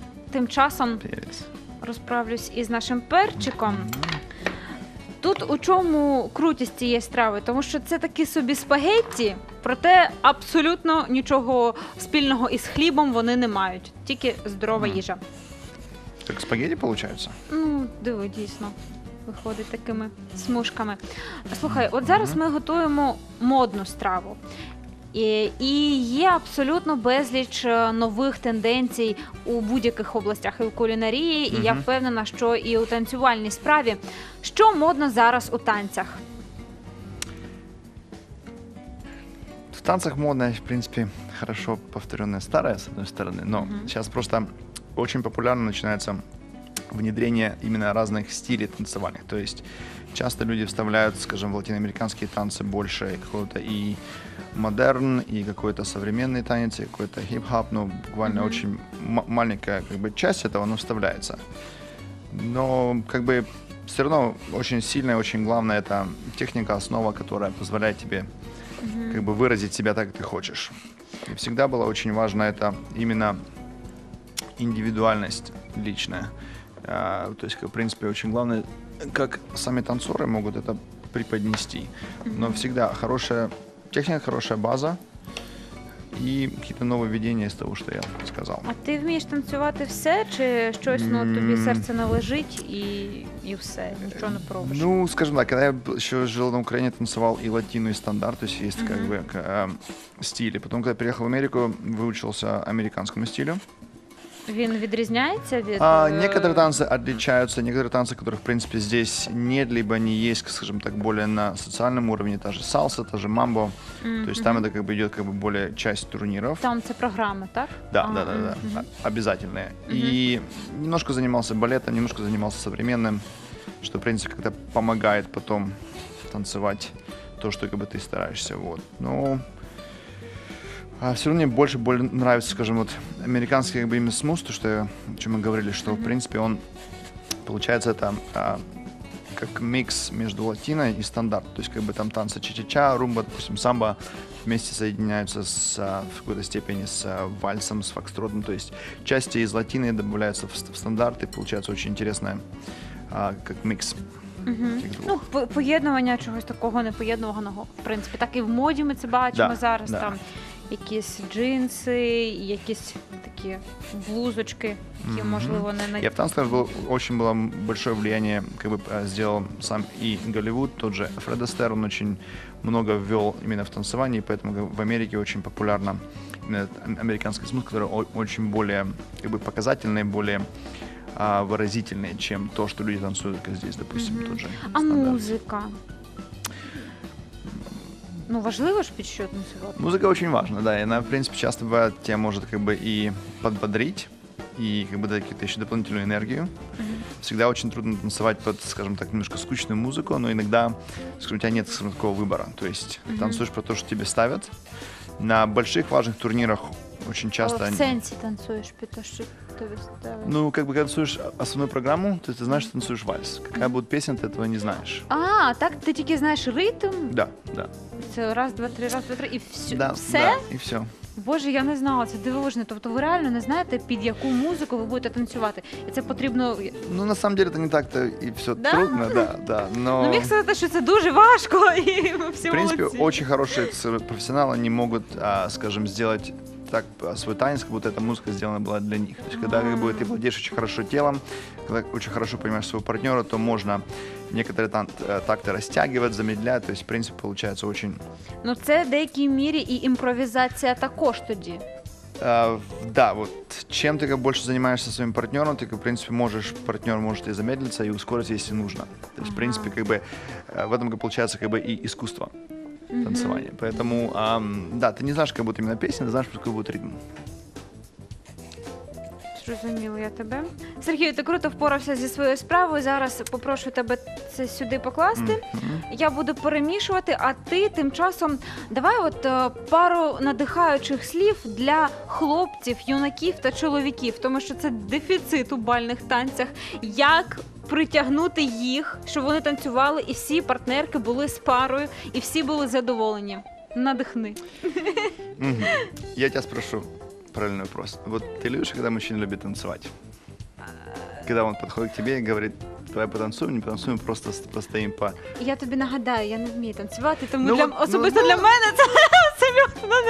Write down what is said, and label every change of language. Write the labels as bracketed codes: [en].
[uk] тим часом розправлюсь із нашим перчиком. Тут у чому крутість цієї страви? Тому що це такі собі спагетті, проте абсолютно нічого спільного із хлібом вони не мають. Тільки здорова їжа. Так спагетті виходить? Ну, диво, дійсно. Виходить такими смужками. Слухай, от зараз ми готуємо модну страву. І є абсолютно безліч нових тенденцій у будь-яких областях і в кулінарії, і я впевнена, що і у танцювальній справі. Що модно зараз у танцях? В танцях модно, в принципі, хорошо повторене старе, з однієї сторони, але зараз просто дуже популярно починається внедрення [ru] именно [uk] різних стилів танцювальних. Тобто часто люди вставляють, скажімо, в латиноамериканські танці більше якогось і модерн, [ru] и какой-то современный танец, и какой-то хип-хоп, но буквально очень маленькая как бы, часть этого, оно вставляется. Но как бы все равно очень сильная, очень главная это техника, основа, которая позволяет тебе как бы выразить себя так, как ты хочешь. И всегда было очень важно это именно индивидуальность личная. То есть, как, в принципе, очень главное, как сами танцоры могут это преподнести. Но всегда хорошая [uk] техніка, хороша база і якісь нові введення з того, що я сказав. А ти вмієш танцювати все, чи щось тобі серце належить і все, нічого не пробуєш? Ну, скажімо так, коли я ще жив на Україні, танцював і латину, і стандарт, тобто є як би, стилі. Потім, коли я приїхав в Америку, вивчився американському стилю. Він відрізняється від... Некоторі танці відрізняються, некоторі танці, яких, в принципі, [ru] здесь нет, либо [uk] не є, скажімо так, більше на соціальному рівні, та же салса, та же мамбо. [ru] То есть там это как бы идет как бы более часть турниров. [uk] Там це програми, так? [ru] Да, да, да, да. Обязательные. И немножко занимался балетом, немножко занимался современным, что, в принципе, как-то помогает потом танцевать то, что как бы ты стараешься, вот. Ну, все равно мне больше нравится, скажем, вот американский как бы именно смус, то, что я, о чем мы говорили, что, в принципе, он получается это как микс между латино и стандарт. То есть как бы там танцы ча-ча-ча, румба, допустим, самбо вместе соединяются с, в какой-то степени с вальсом, с фокстротом. То есть части из латино добавляются в стандарт, и получается очень интересное как микс. [uk] Ну, поєднування чогось такого непоєднуваного, в принципі, так і в моді ми це бачимо зараз, там якісь джинси, якісь такі блузочки, які, можливо, не... Я в танцях був, дуже було велике впливання, якби зробив сам і Голлівуд, той же Фред Астер, він дуже багато ввів іменно в танцюванні, і тому в Америці дуже популярна американська смузь, яка дуже більш показательна, більш... [ru] выразительнее, чем то, что люди танцуют, как здесь, допустим, тот же стандарт. А музыка? [uk] Ну, важливо ж підсчёт танцювати? [ru] Музыка очень важна, да, и она, в принципе, часто бывает, тебя может как бы и подбодрить, и как бы дать какую-то ещё дополнительную энергию. Всегда очень трудно танцевать под, скажем так, немножко скучную музыку, но иногда, скажем, у тебя нет, скажем, такого выбора. То есть танцуешь про то, что тебе ставят. На больших важных турнирах очень часто... В сенсе танцуешь под то, что... Ну, как бы, когда танцуешь основную программу, то ты знаешь, что танцуешь вальс. Какая будет песня, ты этого не знаешь. А, так ты только знаешь ритм? Да, да. [uk] Це раз, два, три, раз, два, три, і все? [ru] Да, все? [uk] Да, і все. Боже, я не знала, це дивовижно. Тобто ви реально не знаєте, під яку музику ви будете танцювати. І це потрібно... [ru] Ну, на самом деле, [uk] це не так-то і все [ru] да? трудно, да, да. Но... [uk] Ну, міг сказати, що це дуже важко, і всі в принципі, молодці. [ru] Очень хороші професіонали не можуть, скажем, сделать так свой танец, как будто эта музыка сделана была для них. То есть, когда как бы, ты владеешь очень хорошо телом, когда очень хорошо понимаешь своего партнера, то можно некоторые такты растягивать, замедлять. То есть, в принципе, получается очень... Но это [uk] в деякій [ru] мере и импровизация [uk] також тоді. [ru] Да, вот чем ты больше занимаешься своим партнером, ты, в принципе, можешь, партнер может и замедлиться, и ускориться, если нужно. То есть, в принципе, как бы, в этом получается как бы и искусство. Танцевание. Поэтому, да, ты не знаешь, как будет именно песня, ты знаешь, какой будет ритм. [uk] Зрозуміла я тебе. Сергію, ти круто впорався зі своєю справою. Зараз попрошу тебе це сюди покласти. Я буду перемішувати, а ти тим часом давай от пару надихаючих слів для хлопців, юнаків та чоловіків, тому що це дефіцит у бальних танцях. Як притягнути їх, щоб вони танцювали і всі партнерки були з парою, і всі були задоволені. Надихни. [ru] Я тебе спрошу. Правильный вопрос. Вот ты любишь, когда мужчина любит танцевать? когда он подходит к тебе и говорит: давай потанцуем, не потанцуем, просто постоим по. Я тебе нагадаю, я не умею танцевать, поэтому ну, для, ну, особенно ну, для ну, меня это абсолютно не